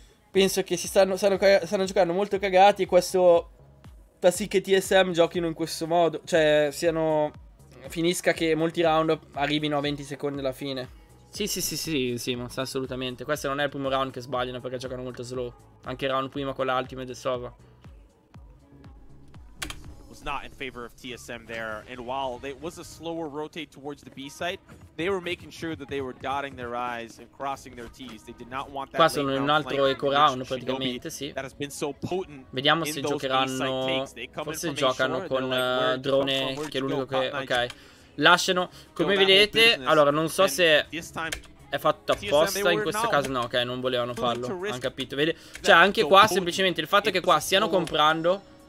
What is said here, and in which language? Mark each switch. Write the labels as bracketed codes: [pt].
[it] Penso che si stanno giocando molto cagati. E questo fa sì che TSM giochino in questo modo. Cioè, siano. Finisca che molti round arrivino a 20 secondi alla fine. Sì, sì, sì, sì, sì, sì, assolutamente. Questo non è il primo round che sbagliano perché giocano molto slow. Anche il round prima con l'ultimate del Sova. [en] Not in favor of TSM there, and while it was a slower rotate towards the B site, they were making sure that they were dotting their I's and crossing their T's. They did not want that. [it] Qua sono in un altro eco round praticamente, sì. [en] That has been so potent. [it] Vediamo se giocheranno. Forse giocano con drone, che è l'unico che. Ok. Lasciano. Come vedete, allora non so se è fatto apposta in questo caso. No, ok, non volevano farlo. Hanno capito. Vedi? Cioè, anche qua semplicemente il fatto che qua stiano comprando.